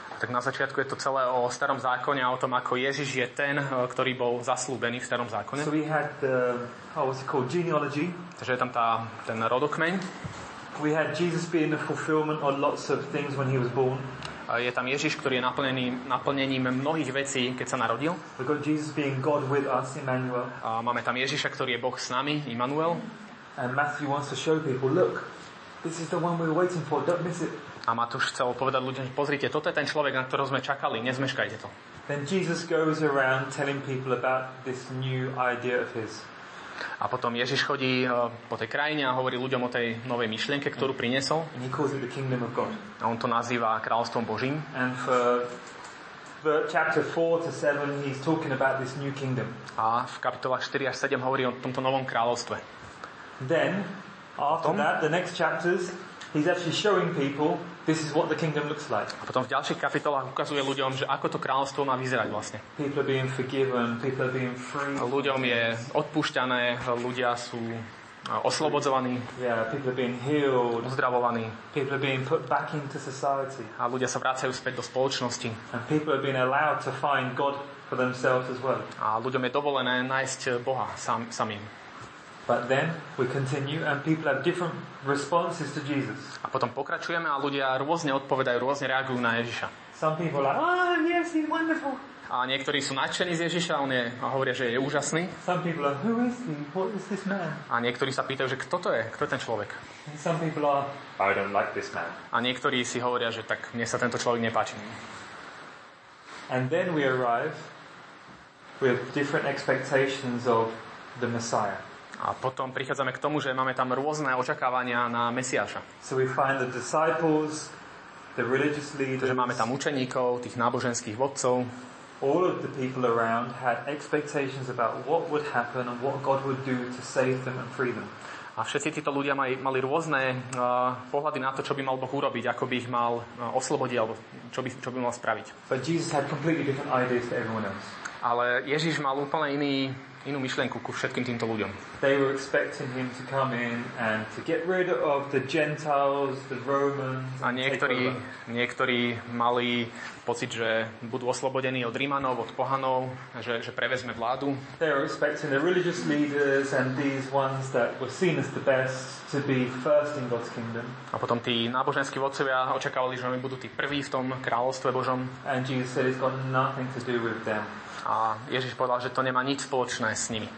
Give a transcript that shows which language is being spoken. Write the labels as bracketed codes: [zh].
[sk] Tak na začiatku je to celé o Starom zákone a o tom, ako Ježiš je ten, ktorý bol zasľúbený v Starom zákone. [en] So we had the, how was it called, genealogy. [sk] Takže je tam tá, ten rodokmeň. [en] We had Jesus being the fulfillment of lots of things when he was born. [sk] Je tam Ježiš, ktorý je naplnený, naplnením mnohých vecí, keď sa narodil. [en] We got Jesus being God with us, Emmanuel. [sk] A máme tam Ježiša, ktorý je Boh s nami, Immanuel. [en] And Matthew wants to show people, look, this is the one we're waiting for, don't miss it. [sk] A Matúš chcel povedať ľuďom, že pozrite, toto je ten človek, na ktorého sme čakali, nezmeškajte to. [en] Then Jesus goes around telling people about this new idea of his. [sk] A potom Ježiš chodí po tej krajine a hovorí ľuďom o tej novej myšlienke, ktorú priniesol. [en] And he calls it the kingdom of God. [sk] A on to nazýva kráľovstvom Božím. [en] And for the chapter 4 to 7 he's talking about this new kingdom. [sk] A v kapitolách 4 až 7 hovorí o tomto novom kráľovstve. [en] Then after that the next chapters he's actually showing people this is what the kingdom looks like. [sk] A potom v ďalších kapitolách ukazuje ľuďom, že ako to kráľovstvo má vyzerať vlastne. [en] People are being forgiven, people are being free. [sk] Ľuďom je odpúšťané, ľudia sú oslobodzovaní. [en] Yeah, people are being healed. [sk] Uzdravovaní. [en] People are being put back into society. [sk] A ľudia sa vracajú späť do spoločnosti. [en] And people are being allowed to find God for themselves as well. [sk] A ľuďom je dovolené nájsť Boha samým. [en] But then we continue and people have different responses to Jesus. [sk] A potom pokračujeme a ľudia rôzne odpovedajú, rôzne reagujú na Ježiša. [en] Some people are like, oh, yes, he's wonderful. [sk] A niektorí sú nadšení z Ježiša, on je, a hovoria, že je úžasný. [en] Some people are, who is he? What is this man? [sk] A niektorí sa pýtajú, že kto to je? Kto je ten človek? [en] And some people are, I don't like this man. [sk] A niektorí si hovoria, že tak mne sa tento človek nepáči. [en] And then we arrive with different expectations of the Messiah. [sk] A potom prichádzame k tomu, že máme tam rôzne očakávania na Mesiáša. [en] So we find the disciples, the religious leaders. [sk] Takže máme tam učeníkov, tých náboženských vodcov. [en] All of the people around had expectations about what would happen and what God would do to save them and free them. [sk] A všetci títo ľudia mali rôzne pohľady na to, čo by mal Boh urobiť, ako by ich mal oslobodiť, alebo čo by mal spraviť. [en] But Jesus had completely different ideas to everyone else. [sk] Ale Ježiš mal úplne inú myšlienku ku všetkým týmto ľuďom. [en] They were expecting him to come in and to get rid of the Gentiles, the Romans. [sk] A niektorí mali pocit, že budú oslobodení od Rímanov, od pohanov, že prevezme vládu. [en] They were expecting the religious leaders and these ones that were seen as the best to be first in God's kingdom. [sk] A potom tí náboženskí vodcovia očakávali, že oni budú tí prví v tom kráľovstve Božom. [en] And Jesus said it's got nothing to do with them. [sk] A Ježiš povedal, že to nemá nič spoločné s nimi.